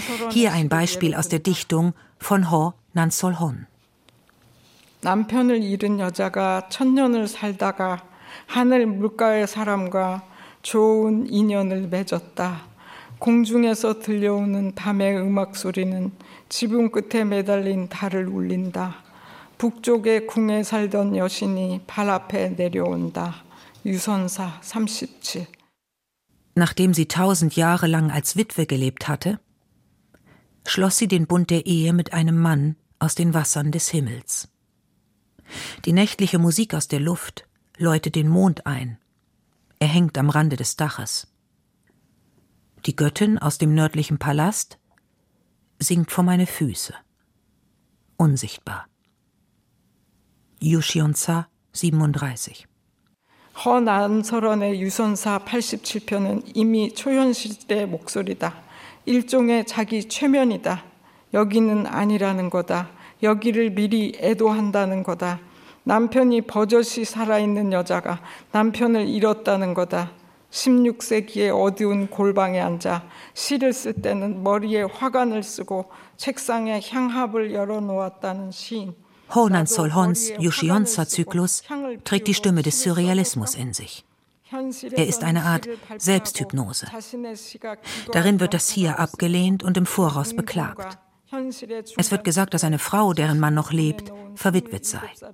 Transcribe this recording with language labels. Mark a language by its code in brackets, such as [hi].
[de] Hier ein Beispiel aus der Dichtung von Ho Nansol-hon. [ko] 남편을 잃은 여자가 천년을 살다가 하늘 물가의 사람과 좋은 인연을 맺었다. 공중에서 들려오는 밤의 음악 소리는 지붕 끝에 매달린 달을 울린다. 북쪽의 궁에 살던 여신이 발 앞에 내려온다. 유선사 37. [de] Nachdem sie 1000 Jahre lang als Witwe gelebt hatte, schloss sie den Bund der Ehe mit einem Mann aus den Wassern des Himmels. Die nächtliche Musik aus der Luft läutet den Mond ein. Er hängt am Rande des Daches. Die Göttin aus dem nördlichen Palast singt vor meine Füße. Unsichtbar. Yushionsa 37. [ko] Ho Nansol-hon의 유선사 87편은 이미 초현실대의 목소리다. 일종의 자기 최면이다. 여기는 아니라는 거다. 여기를 미리 애도한다는 거다. 남편이 버젓이 살아있는 여자가 남편을 잃었다는 거다. 16세기의 어두운 골방에 앉아 시를 쓸 때는 머리에 화관을 쓰고 책상에 향합을 열어놓았다는 시인. [de] Ho Nansol-hons Yushionsa-Zyklus trägt die Stimme des Surrealismus in sich. Er ist eine Art Selbsthypnose. Darin wird das Hier abgelehnt und im Voraus beklagt. Es wird gesagt, dass eine Frau, deren Mann noch lebt, verwitwet sei.